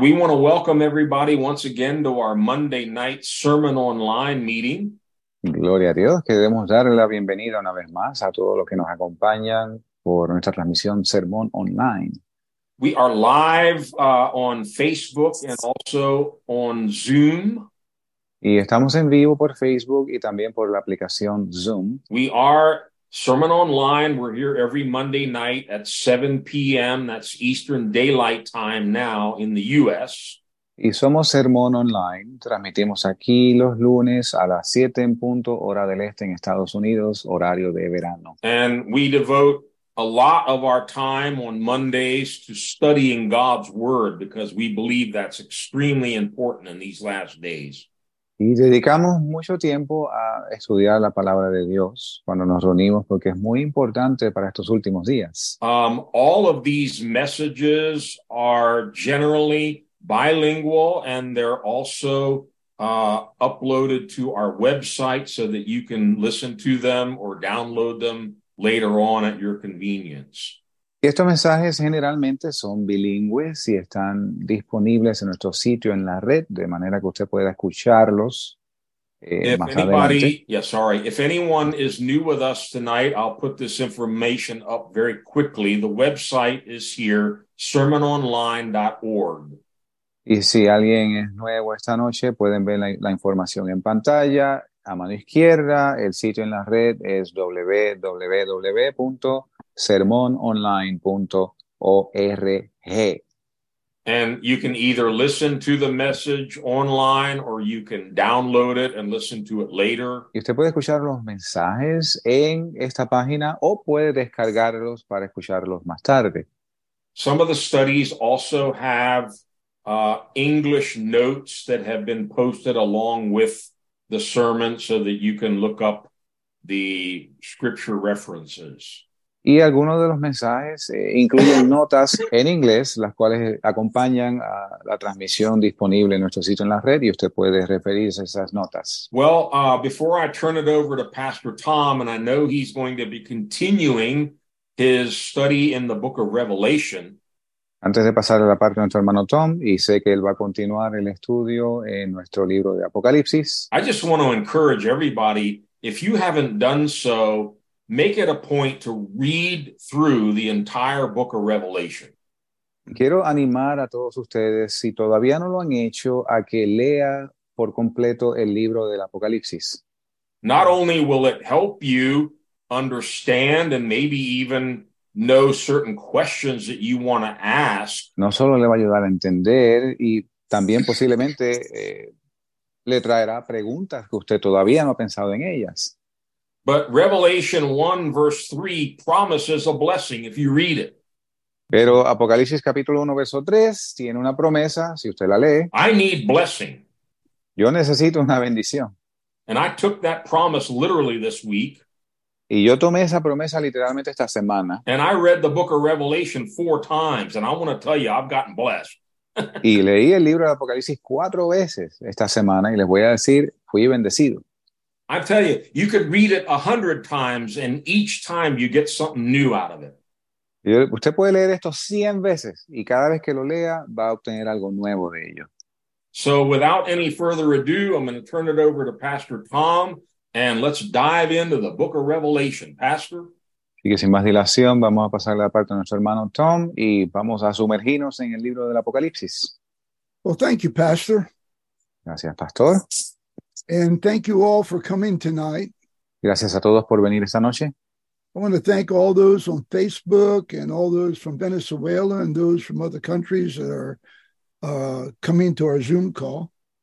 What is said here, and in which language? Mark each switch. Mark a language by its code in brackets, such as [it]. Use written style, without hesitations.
[en] We want to welcome everybody once again to our Monday night Sermon Online meeting. [es] Gloria a Dios. Queremos dar la bienvenida una vez más a todos los que nos acompañan por nuestra transmisión Sermón Online. [en] We are live on Facebook and also on Zoom. [es] Y estamos en vivo por Facebook y también por la aplicación Zoom. [en] We are Sermon Online. We're here every Monday night at 7 p.m. That's Eastern Daylight Time now in the U.S. [es] Y somos Sermon Online. Transmitimos aquí los lunes a las 7 en punto, hora del este en Estados Unidos, horario de verano. [en] And we devote a lot of our time on Mondays to studying God's Word because we believe that's extremely important in these last days. [es] Y dedicamos mucho tiempo a estudiar la palabra de Dios cuando nos reunimos porque es muy importante para estos últimos días. [en] All of these messages are generally bilingual and they're also uploaded to our website so that you can listen to them or download them later on at your convenience. [es] Y estos mensajes generalmente son bilingües y están disponibles en nuestro sitio en la red, de manera que usted pueda escucharlos más [en] anybody, [es] adelante. [en] Yeah, sorry. If anyone is new with us tonight, I'll put this information up very quickly. The website is here, sermononline.org. [es] Y si alguien es nuevo esta noche, pueden ver la información en pantalla. A mano izquierda, el sitio en la red es www.sermononline.org. [en] And you can either listen to the message online or you can download it and listen to it later. [es] Y usted puede escuchar los mensajes en esta página o puede descargarlos para escucharlos más tarde. [en] Some of the studies also have English notes that have been posted along with the sermon so that you can look up the scripture references. [es] Y algunos de los mensajes incluyen notas en inglés, las cuales acompañan a la transmisión disponible en nuestro sitio en la red, y usted puede referirse a esas notas. [en] Well, before I turn it over to Pastor Tom, and I know he's going to be continuing his study in the book of Revelation. [es] Antes de pasar a la parte de nuestro hermano Tom, y sé que él va a continuar el estudio en nuestro libro de Apocalipsis. [en] I just want to encourage everybody, if you haven't done so, make it a point to read through the entire book of Revelation. [es] Quiero animar a todos ustedes, si todavía no lo han hecho, a que lea por completo el libro del Apocalipsis. [en] Not only will it help you understand and maybe even know certain questions that you want to ask. [es] No solo le va a ayudar a entender y también posiblemente le traerá preguntas que usted todavía no ha pensado en ellas. [en] But Revelation 1 verse 3 promises a blessing if you read it. [es] Pero Apocalipsis capítulo 1 verso 3 tiene una promesa si usted la lee. [en] I need blessing. [es] Yo necesito una bendición. [en] And I took that promise literally this week. [es] Y yo tomé esa promesa literalmente esta semana. [en] And I read the book of Revelation 4 times and I want to tell you I've gotten blessed. [es] Y leí el libro de Apocalipsis 4 veces esta semana y les voy a decir fui bendecido. [en] I tell you, you could read it 100 times and each time you get something new out of it. [es] Usted puede leer esto 100 veces y cada vez que lo lea va a obtener algo nuevo de ello. [en] So without any further ado, I'm going to turn it over to Pastor Tom and let's dive into the book of Revelation. Pastor? [es] Así que sin más dilación, vamos a pasar la parte a nuestro hermano Tom y vamos a sumergirnos en el libro del Apocalipsis. [en] Well, thank you, Pastor. [es] Gracias, Pastor. [en] And thank you all for coming tonight. [es] Gracias a todos por venir esta noche. [en] I want to thank all those on Facebook and all those from Venezuela and those from other countries that are coming to our Zoom call.